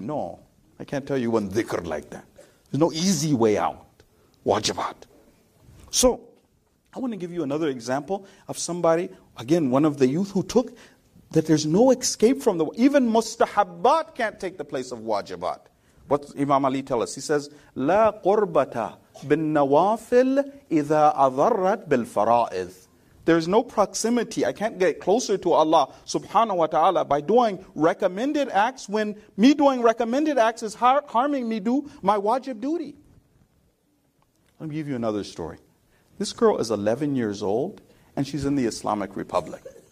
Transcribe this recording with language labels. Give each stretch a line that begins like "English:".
English: No, I can't tell you one dhikr like that. There's no easy way out. Wajibat. So, I want to give you another example of somebody, again, one of the youth who took, that there's no escape from the, even mustahabbat can't take the place of wajibat. What does Imam Ali tell us? He says,
Arabic: لا قربة بالنوافل إذا أضرت بالفرائض.
English: There's no proximity. I can't get closer to Allah subhanahu wa ta'ala by doing recommended acts when me doing recommended acts is harming me do my wajib duty. Let me give you another story. This girl is 11 years old and she's in the Islamic Republic.